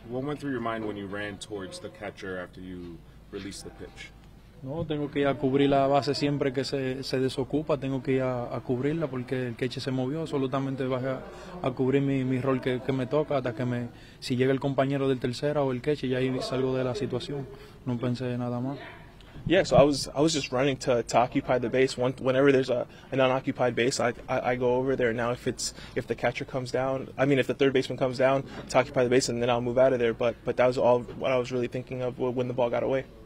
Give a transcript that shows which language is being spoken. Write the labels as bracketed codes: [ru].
[en] What went through your mind when you ran towards the catcher after you released the pitch? [es] No, tengo que ir a cubrir la base siempre que se desocupa, tengo que ir a cubrirla porque el queche se movió, absolutamente bajé a cubrir mi rol que me toca hasta que me, si llega el compañero del tercera o el queche, ya ahí salgo de la situación, no pensé nada más. [en] Yeah, so I was just running to occupy the base. Whenever there's an unoccupied base, I go over there. Now if the catcher comes down, I mean if the third baseman comes down to occupy the base, and then I'll move out of there. But that was all what I was really thinking of when the ball got away.